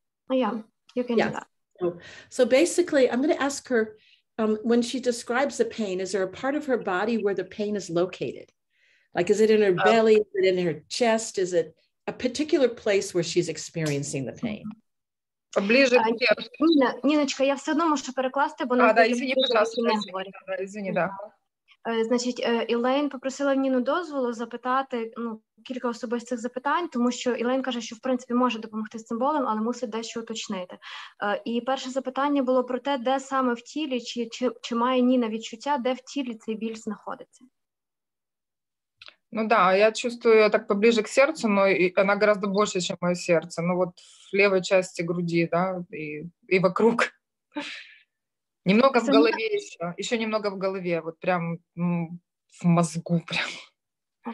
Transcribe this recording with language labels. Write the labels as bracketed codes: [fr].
[en] Yeah, you can do that. So basically, I'm going to ask her, when she describes the pain, is there a part of her body where the pain is located? Like, is it in her belly? Is it in her chest? Is it a particular place where she's experiencing the pain. [ru] Поближе до [uk] Ніна, Ніночка, я все одно можу перекласти, бо нас... Ізвини, будь ласка, не говори. Ізвини, да. Значить, Елейн попросила Ніну дозволу запитати, ну, кілька особистих запитань, тому що Елейн каже, що, в принципі, може допомогти з цим болем, але мусить дещо уточнити. І перше запитання було про те, де саме в тілі, чи має Ніна відчуття, де в тілі цей біль знаходиться. [ru] Ну да, я чувствую ее так поближе к сердцу, но она гораздо больше, чем мое сердце. Ну вот в левой части груди, да, и вокруг. Немного в голове еще. Еще немного в голове, вот прям в мозгу прям.